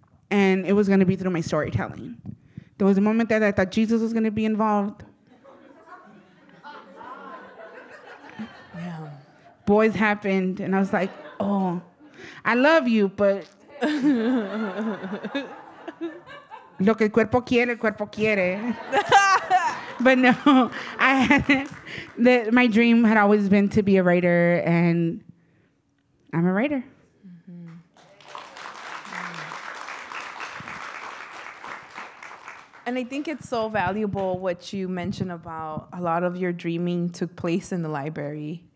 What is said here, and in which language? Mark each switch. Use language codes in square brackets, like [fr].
[en] And it was going to be through my storytelling. There was a moment there that I thought Jesus was going to be involved. Yeah. Boys happened, and I was like, oh, I love you, but... [es] Lo que el cuerpo quiere, el cuerpo quiere. [en] But no, my dream had always been to be a writer, and I'm a writer. Mm-hmm. And I think it's so valuable what you mentioned about a lot of your dreaming took place in the library.